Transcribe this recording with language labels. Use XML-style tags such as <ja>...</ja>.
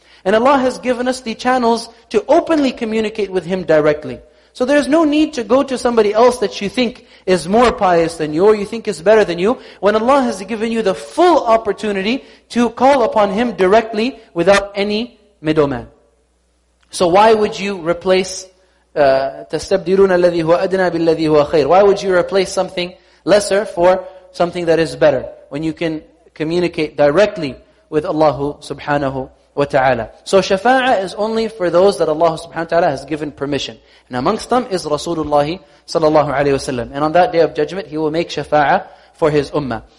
<en>And Allah has given us the channels to openly communicate with Him directly. So there's no need to go to somebody else that you think is more pious than you, or you think is better than you, when Allah has given you the full opportunity to call upon Him directly without any middleman. So why would you replace</en> <ar>تَسْتَبْدِرُونَ الَّذِي هُوَ أَدْنَى بِالَّذِي هُوَ خَيْرٌ?</ar> <en>Why would you replace something lesser for something that is better, when you can communicate directly with Allah subhanahu wa ta'ala? So shafa'ah is only for those that Allah subhanahu wa ta'ala has given permission. And amongst them is Rasulullah sallallahu alayhi wa sallam. And on that day of judgment, he will make shafa'ah for his ummah.</en>